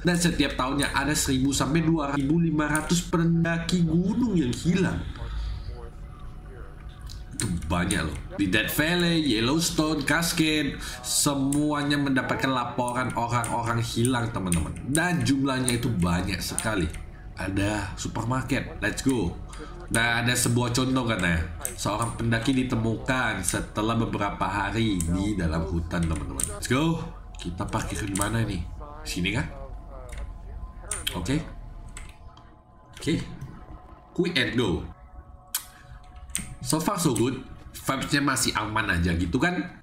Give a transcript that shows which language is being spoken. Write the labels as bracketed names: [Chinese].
[Indonesian] Dan setiap tahunnya ada 1.000-2.500 pendaki gunung yang hilang. Itu banyak loh. Di Death Valley, Yellowstone, Cascade, semuanya mendapatkan laporan orang-orang hilang teman-teman. Dan jumlahnya itu banyak sekali. Ada supermarket, [English] let's go. [Indonesian] Nah ada sebuah contoh katanya. Seorang pendaki ditemukan setelah beberapa hari di dalam hutan teman-teman. [English] Let's go. [Indonesian] Kita parkir di mana ini? Sini kan? Oke. Okay. Oke. [English] Okay. Quick and go. So far so good, [Indonesian] vibes-nya masih aman aja gitu kan.